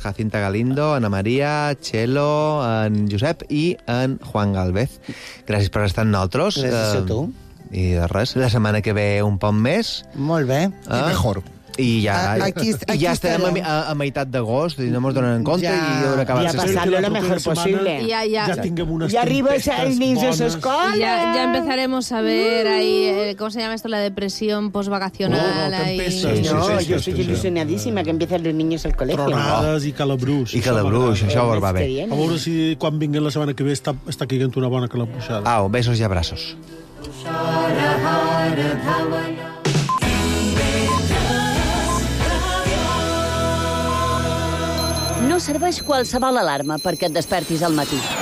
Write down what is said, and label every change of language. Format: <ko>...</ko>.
<ca>Jacinta Galindo, Ana Maria, Txelo, en Josep i en Juan Gálvez. Gràcies per estar amb nosaltres. Gràcies a tu. I de res, la setmana que ve un poc més. Molt bé. I mejor. I ja, aquí ja estarem a meitat d'agost, i no ens donen en compte, ja, i ja haurà acabat. Ja ha passat el millor possible. Ja, ja. Ja tinguem unes ja tempestes bones. Ja arribes a l'inici</ca> <es>a l'escola. Ja empezaremos a ver ahí, com se llama esto, la depresión postvacacional.</es> <ca>Oh, tempestes.</ca> <es>Sí, no, jo sí, sí, sí, soy ilusionadíssima, que empiecen los niños al colegio.</es> <ca>Tronades i calabruix. I calabruix, això va bé. A veure si quan vinguin la setmana que ve està caigant una bona calabruixada. Au, besos i abraços. No serveix qualsevol alarma perquè et despertis al matí.</ca>